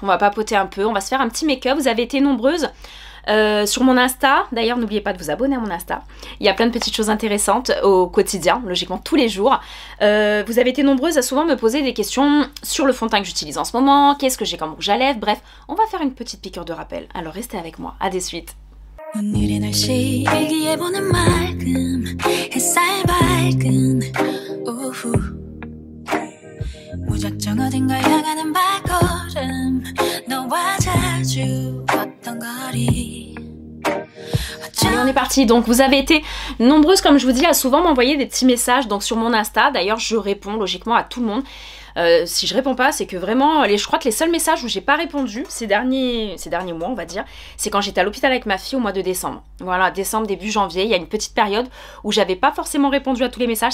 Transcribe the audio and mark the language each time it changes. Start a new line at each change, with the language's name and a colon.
French: On va papoter un peu, on va se faire un petit make-up. Vous avez été nombreuses sur mon Insta. D'ailleurs, n'oubliez pas de vous abonner à mon Insta. Il y a plein de petites choses intéressantes au quotidien, logiquement tous les jours. Vous avez été nombreuses à souvent me poser des questions sur le fond de teint que j'utilise en ce moment, qu'est-ce que j'ai comme rouge à lèvres, bref. On va faire une petite piqûre de rappel. Alors restez avec moi, à des suites.
Korean: 오늘의 날씨 일기에 보는 맑음 햇살 밝은 오후 무작정 어딘가 향하는 발걸음 너와 자주 걷던 거리.
French: Allez, on est parti. Donc vous avez été nombreuses, comme je vous dis, à souvent m'envoyer des petits messages donc sur mon Insta. D'ailleurs, je réponds logiquement à tout le monde. Si je réponds pas, c'est que vraiment, je crois que les seuls messages où j'ai pas répondu ces derniers mois, on va dire, c'est quand j'étais à l'hôpital avec ma fille au mois de décembre. Voilà, décembre, début janvier, il y a une petite période où j'avais pas forcément répondu à tous les messages.